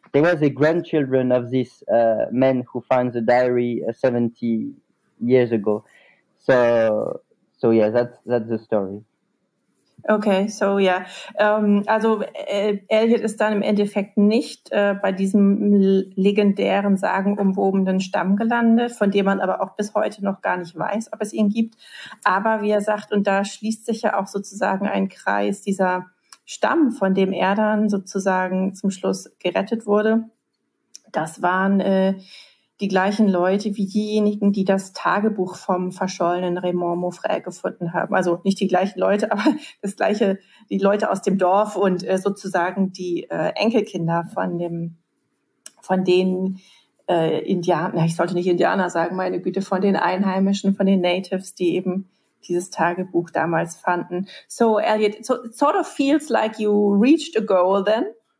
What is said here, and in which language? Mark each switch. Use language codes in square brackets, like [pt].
[en] There was a grandchildren of this man who found the diary 70 years ago. So that's the story. [de] Okay, so ja, Elliot ist dann im Endeffekt nicht bei diesem legendären, sagenumwobenen Stamm gelandet, von dem man aber auch bis heute noch gar nicht weiß, ob es ihn gibt. Aber wie er sagt, und da schließt sich ja auch sozusagen ein Kreis, dieser Stamm, von dem er dann sozusagen zum Schluss gerettet wurde, das waren die gleichen Leute wie diejenigen, die das Tagebuch vom verschollenen Raymond Moffret gefunden haben. Also nicht die gleichen Leute, aber das gleiche, die Leute aus dem Dorf und sozusagen die Enkelkinder von den Indianern, ich sollte nicht Indianer sagen, meine Güte, von den Einheimischen, von den Natives, die eben dieses Tagebuch damals fanden. [en] So, Elliot, so, it sort of feels like you reached a goal then.